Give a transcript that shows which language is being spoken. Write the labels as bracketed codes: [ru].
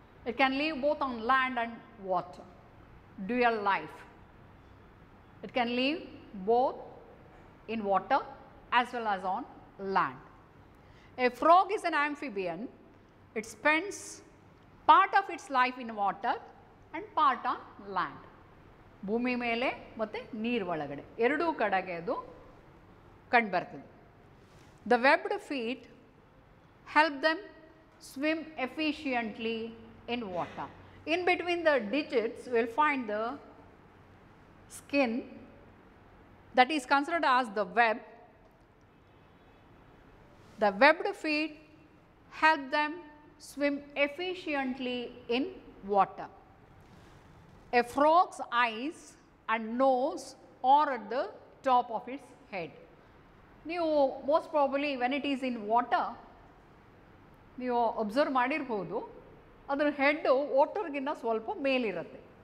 [en] It can live both on land and water. Dual life. It can live both in water as well as on land. A frog is an amphibian. It spends part of its life in water and part on land. [kn] ಭೂಮಿ ಮೇಲೆ ಮತ್ತು ನೀರು ಒಳಗಡೆ ಎರಡೂ ಕಡೆಗೆ ಅದು ಕಂಡುಬರ್ತದೆ. [en] The webbed feet help them swim efficiently in water. In between the digits will find the skin that is considered as the web. The webbed feet help them swim efficiently in water. A frog's eyes and nose are at the top of its head. You most probably when it is in water, you observe [kn] madirbodu adra head water ginna swalpa mel irutte.